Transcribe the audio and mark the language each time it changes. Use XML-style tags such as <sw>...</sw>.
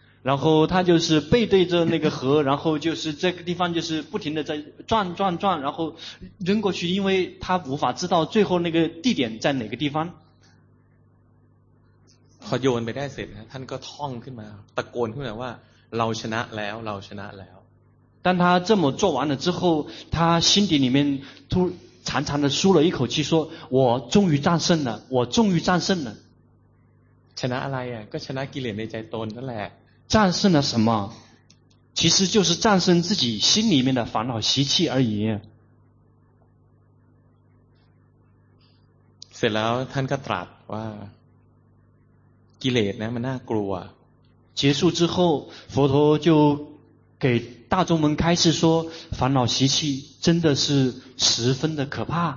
<zh>然后他就是背对着那个河然后就是这个地方就是不停的在转转转然后扔过去因为他无法知道最后那个地点在哪个地方</zh> <th>พอโยนไปได้เสร็จท่านก็ท่องขึ้นมาตะโกนขึ้นมาว่าเราชนะแล้วเราชนะแล้ว</th> <zh>当他这么做完了之后他心底里面突长长的舒了一口气说我终于战胜了我终于战胜了</zh> <th>ชนะอะไรอ่ะก็ชนะกิเลสในใจตนนั่นแหละ</th> <zh>战胜了什么？其实就是战胜自己心里面的烦恼习气而已。</zh> <th>เสร็จแล้วท่านก็ตรัสว่ากิเลสนะมันน่ากลัว。</th> <zh>结束之后，佛陀就给大众们开示说，烦恼习气真的是十分的可怕。</zh>